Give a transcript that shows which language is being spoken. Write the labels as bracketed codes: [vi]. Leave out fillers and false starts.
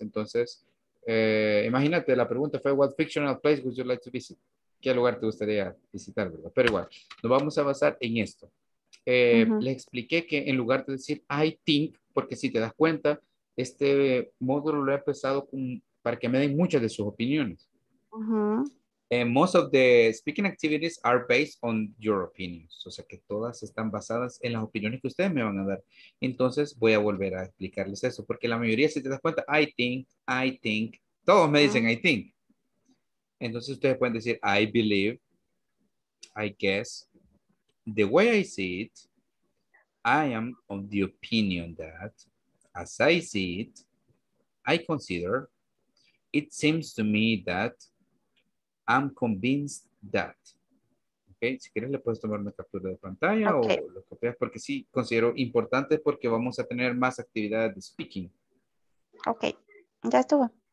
[es] Entonces, imagínate, la pregunta fue: [en] What fictional place would you like to visit? [es] ¿Qué lugar te gustaría visitar, verdad? Pero igual, nos vamos a basar en esto. Le expliqué que en lugar de decir [en] I think, [es] porque si te das cuenta, este módulo lo he empezado con. Para que me den muchas de sus opiniones. [en] Most of the speaking activities are based on your opinions. [es] O sea que todas están basadas en las opiniones que ustedes me van a dar. Entonces voy a volver a explicarles eso. Porque la mayoría, si te das cuenta, [en] I think. [es] Todos me dicen [en] I think. [es] Entonces ustedes pueden decir [en] I believe. I guess. The way I see it. I am of the opinion that. As I see it. I consider. It seems to me that I'm convinced that. [es] Okay, si quieres le puedes tomar una captura de pantalla o lo copias, porque sí, considero importante porque vamos a tener más actividades de speaking. Okay, ya estuvo.